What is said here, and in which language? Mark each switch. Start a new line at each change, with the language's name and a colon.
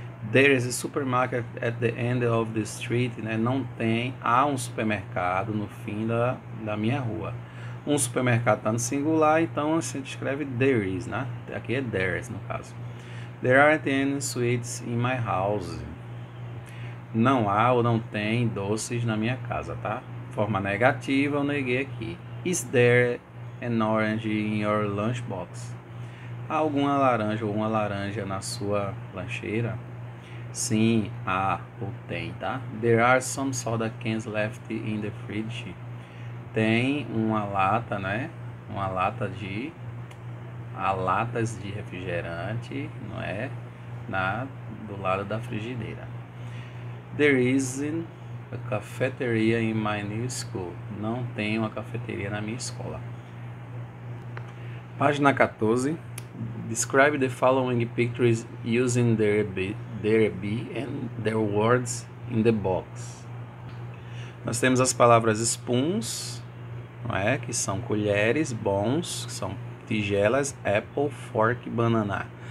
English: There is a supermarket at the end of the street, né?
Portuguese: Não tem. Há um supermercado no fim da minha rua. Um supermercado está no singular, então a gente escreve there is, né? Aqui é
English: there's no caso. There aren't any sweets in my house.
Portuguese: Não há ou não tem doces na minha casa, tá? Forma negativa, eu neguei aqui.
English: Is there an orange in your lunchbox?
Portuguese: Há alguma laranja ou uma laranja na sua lancheira? Sim, há ou tem, tá?
English: There are some soda cans left in the fridge.
Portuguese: Tem uma lata, né? Uma lata de. Há latas de refrigerante, não é? Do lado da frigideira.
English: There isn't a cafeteria in my new school.
Portuguese: Não tem uma cafeteria na minha escola. Página 14.
English: Describe the following pictures using there be and their words in the box.
Portuguese: Nós temos as palavras spoons, não é? Que são colheres, bons, que são tigelas, apple, fork, banana.